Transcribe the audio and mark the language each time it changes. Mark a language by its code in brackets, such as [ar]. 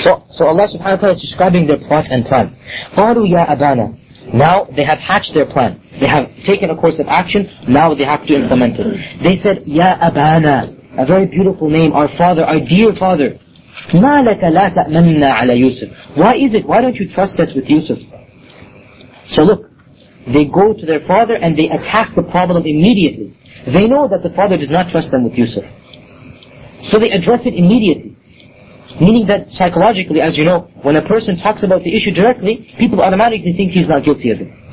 [en] So Allah subhanahu wa ta'ala is describing their plot and plan. [ar] قَالُوا يَا أَبَانَا [en] Now they have hatched their plan. They have taken a course of action, now they have to implement it. They said, Ya Abana, a very beautiful name, our father, our dear father. [ar] مَا لَكَ لَا تَأْمَنَّا عَلَى يُوسُفْ [en] Why is it? Why don't you trust us with Yusuf? So look, they go to their father and they attack the problem immediately. They know that the father does not trust them with Yusuf. So they address it immediately. Meaning that psychologically, as you know, when a person talks about the issue directly, people automatically think he's not guilty of it.